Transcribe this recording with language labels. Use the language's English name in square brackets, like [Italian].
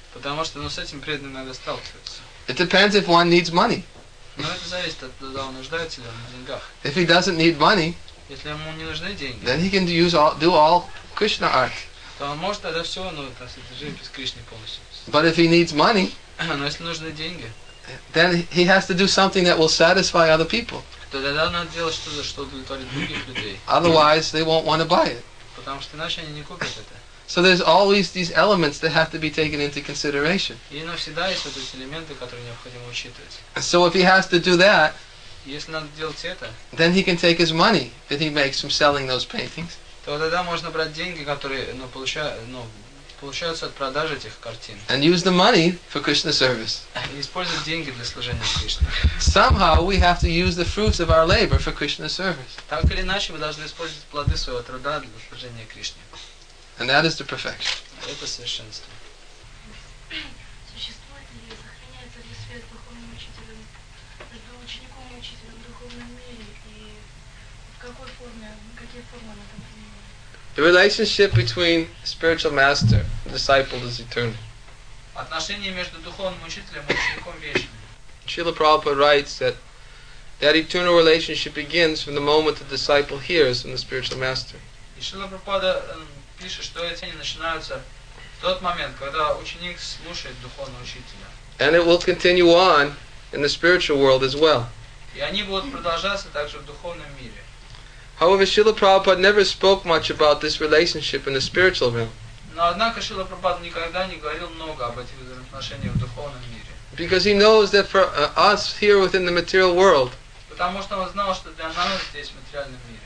[Russian] Потому что, ну, с этим преданным надо сталкиваться. [English] It depends if one needs money. [Russian] Но это зависит от того, нуждается ли он в деньгах. [English] If he doesn't need money, [Russian] если ему не нужны деньги, [English] then he can do all Krishna art. [Russian] То он может тогда все, ну, это живопись Кришны полностью. [English] But if he needs money, [Russian] но если нужны деньги, [English] then he has to do something that will satisfy other people. [Russian] То тогда надо делать что-то, что удовлетворит других людей. [English] Otherwise, they won't want to buy it. [Russian] Потому что иначе они не купят это. [English] So there's always these elements that have to be taken into consideration. [Russian] И но всегда есть вот эти элементы, которые необходимо учитывать. [English] So if he has to do that, [Russian] если надо делать это, [English] then he can take his money that he makes from selling those paintings. [Russian] То тогда можно брать деньги, которые, ну, получаются от продажи этих картин. [English] And use the money for Krishna service. [Russian] И использовать деньги для служения Кришне. [English] Somehow we have to use the fruits of our labor for Krishna service. [Russian] Так или иначе мы должны использовать плоды своего труда для служения Кришне. [English] And that is the perfection. [Russian] Это совершенство. Существует ли и сохраняется ли связь духовным учителем между учеником и учителем в духовном мире, и в какой форме, какие формы она там принимает? [English] The relationship between spiritual master and disciple is eternal. [Russian] Отношения между духовным учителем и учеником вечны. [English] Srila Prabhupada writes that eternal relationship begins from the moment the disciple hears from the spiritual master. [Russian] Srila Prabhupada пишет, что эти не начинаются в тот момент, когда ученик слушает духовного учителя. [English] And it will continue on in the spiritual world as well. [Russian] И они будут продолжаться также в духовном мире. [English] However, Srila Prabhupada never spoke much about this relationship in the spiritual realm. [Russian] Но однако Шрила Прабхупада никогда не говорил много об этих взаимоотношениях в духовном мире. [English] Because he knows that for us here within the material world, [Russian] потому что он знал, что для нас здесь, в материальном мире,